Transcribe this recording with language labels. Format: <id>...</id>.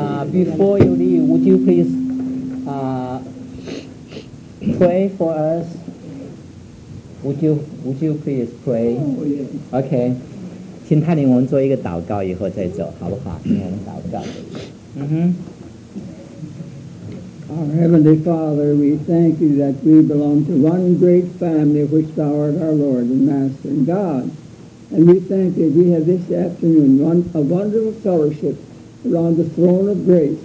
<en>Before you leave, would you please pray for us? Would you please pray?</en> <zh>OK, 请带领我们做一个祷告以后再走，好不好？请我们祷告。嗯哼。</zh> <en>Our Heavenly Father, we thank you that we belong to one great family which thou art our Lord and Master and God. And we thank you that we have this afternoon a wonderful fellowship around the throne of grace.</en>